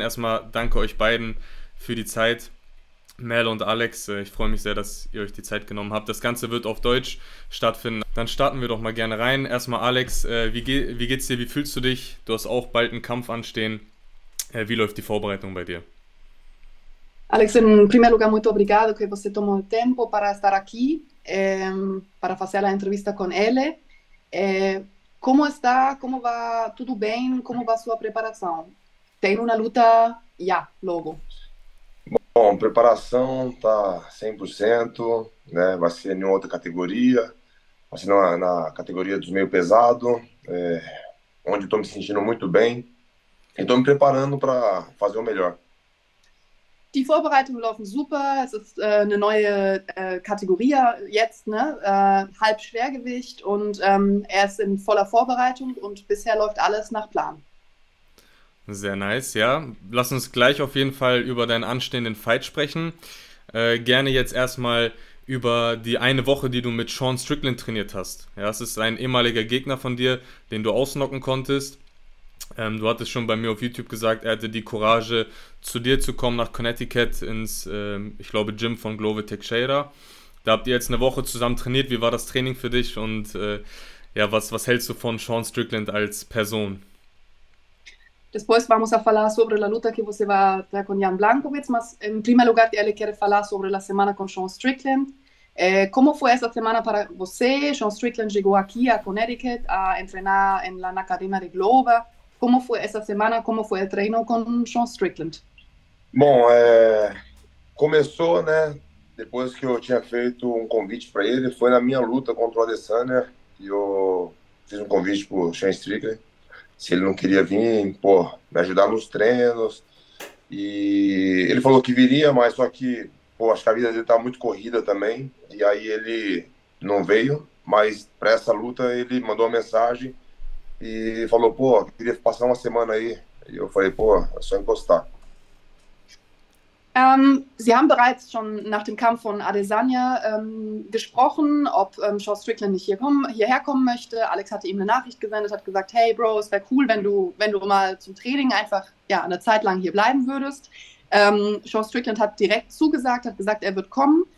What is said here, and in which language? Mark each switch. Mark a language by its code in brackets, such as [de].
[de] Erstmal danke euch beiden für die Zeit. Merle und Alex, ich freue mich sehr, dass ihr euch die Zeit genommen habt. Das Ganze wird auf Deutsch stattfinden. Dann starten wir doch mal gerne rein. Erstmal Alex, wie geht's dir? Wie fühlst du dich? Du hast auch bald einen Kampf anstehen. Wie läuft die Vorbereitung bei dir? [pt] Alex, in primer lugar, muito obrigado que você tomou o tempo para estar aqui, para fazer a entrevista com ele. Como está? Como vai? Tudo bem? Como vai a sua preparação? Tem uma luta já, logo. Bom, preparação tá 100%, né? Vai ser em outra categoria, vai ser na categoria dos meio pesado, onde estou me sentindo muito bem e estou me preparando para fazer o melhor. [de] Die Vorbereitungen laufen super. Es ist eine neue Kategorie jetzt, ne? Halbschwergewicht und er ist in voller Vorbereitung und bisher läuft alles nach Plan. Sehr nice, ja. Lass uns gleich auf jeden Fall über deinen anstehenden Fight sprechen. Gerne jetzt erstmal über die eine Woche, die du mit Sean Strickland trainiert hast. Ja, es ist ein ehemaliger Gegner von dir, den du ausknocken konntest. Du hattest schon bei mir auf YouTube gesagt, er hätte die Courage, zu dir zu kommen nach Connecticut ins, ich glaube, Gym von Glover Teixeira. Da habt ihr jetzt eine Woche zusammen trainiert. Wie war das Training für dich? Und ja, was hältst du von Sean Strickland als Person? [pt] Depois vamos a falar sobre a luta que você vai ter com Jan Blankovic, mas em primeiro lugar ele quer falar sobre a semana com Sean Strickland. Como foi essa semana para você? Sean Strickland chegou aqui a Connecticut a treinar na Academia de Glover. Como foi essa semana? Como foi o treino com Sean Strickland? Bom, começou, né? Depois que eu tinha feito um convite para ele, foi na minha luta contra o Adesanya, e eu fiz um convite pro Sean Strickland, se ele não queria vir, pô, me ajudar nos treinos. E ele falou que viria, mas só que, pô, acho que a vida dele tá muito corrida também, e aí ele não veio, mas para essa luta ele mandou uma mensagem e falou, pô, queria passar uma semana aí. E eu falei, pô, é só encostar. [de] Sie haben bereits schon nach dem Kampf von Adesanya gesprochen, ob Sean Strickland nicht hierher kommen möchte. Alex hatte ihm eine Nachricht gesendet, hat gesagt, hey Bro, es wäre cool, wenn du mal zum Training einfach ja, eine Zeit lang hier bleiben würdest. Sean Strickland hat direkt zugesagt, hat gesagt, er wird kommen.